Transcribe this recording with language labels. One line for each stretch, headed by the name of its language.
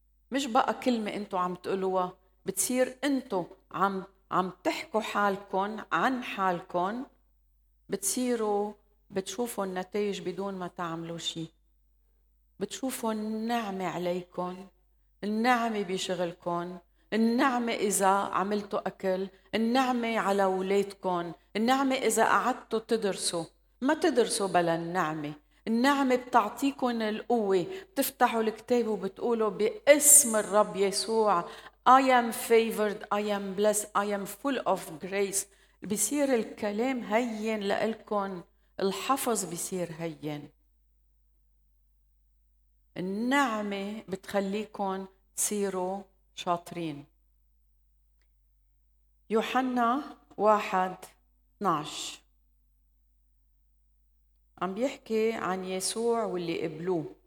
Arabic: مش بقى كلمة أنتوا عم تقولوها، بتصير أنتوا عم تحكوا حالكن عن حالكن، بتصيروا بتشوفوا النتائج بدون ما تعملوا شيء. بتشوفوا النعمة عليكن، النعمة بيشغلكن، النعمة إذا عملتوا أكل، النعمة على أولادكم، النعمة إذا قعدتوا تدرسوا. ما تدرسوا بلا النعمة. النعمة بتعطيكم القوة، بتفتحوا الكتاب وبتقولوا باسم الرب يسوع
English: I am favored, I am blessed, I am full of grace.
Arabic: بيصير الكلام هين لألكن، الحفظ بيصير هين. النعمة بتخليكن تصيروا شاطرين. يوحنا 1:12 عم بيحكي عن يسوع واللي قبلوه.